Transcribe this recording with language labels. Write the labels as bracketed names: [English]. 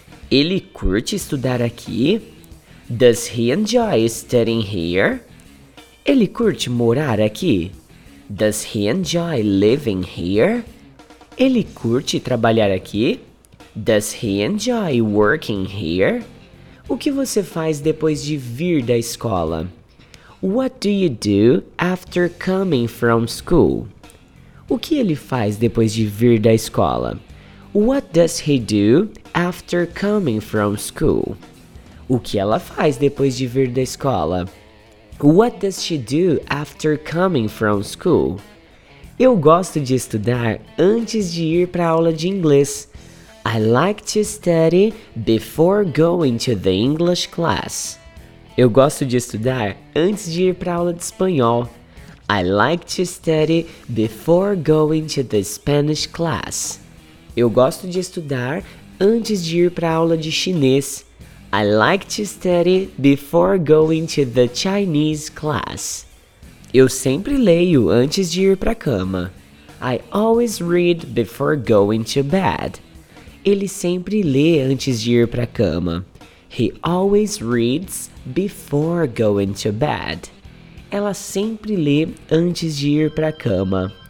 [Portuguese] Ele curte estudar aqui? [English] Does he enjoy studying here? [Portuguese] Ele curte morar aqui? [English] Does he enjoy living here? [Portuguese] Ele curte trabalhar aqui? [English] Does he enjoy working here? [Portuguese] O que você faz depois de vir da escola? [English] What do you do after coming from school? [Portuguese] O que ele faz depois de vir da escola? [English] What does he do after coming from school? [Portuguese] O que ela faz depois de vir da escola? [English] What does she do after coming from school? [Portuguese] Eu gosto de estudar antes de ir para aula de inglês. [English] I like to study before going to the English class. [Portuguese] Eu gosto de estudar antes de ir para aula de espanhol. [English] I like to study before going to the Spanish class. [Portuguese] Eu gosto de estudar antes de ir para aula de chinês. [English] I like to study before going to the Chinese class. [Portuguese] Eu sempre leio antes de ir para a cama. [English] I always read before going to bed. [Portuguese] Ele sempre lê antes de ir para a cama. [English] He always reads before going to bed. [Portuguese] Ela sempre lê antes de ir para a cama.